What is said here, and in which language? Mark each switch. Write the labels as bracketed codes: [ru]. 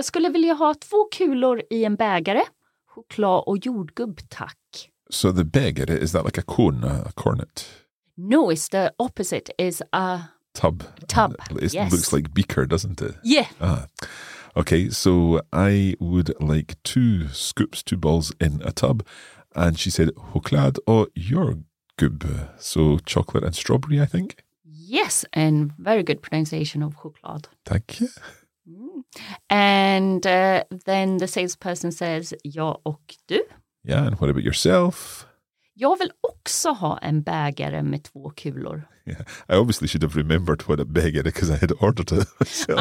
[sv] Jag skulle vilja ha 2 kulor I en bägare. Choklad och jordgubb, tack. [en] So the bägare, is that like a cone, a cornet? No, it's the opposite, it's a... Tub. Tub, it It looks like beaker, doesn't it? Yeah. Ah. Okay, so I would like 2 scoops, 2 balls in a tub. And she said, [sv] choklad och jordgubb. [en] So chocolate and strawberry, I think? Yes, and very good pronunciation of choklad. Thank you. And then the salesperson says, [sv] jag och du? [en] Yeah, and what about yourself? [sv] Jag vill också ha en bägare med 2 kulor. [en] Yeah, I obviously should have remembered what a bägare because I had ordered it myself.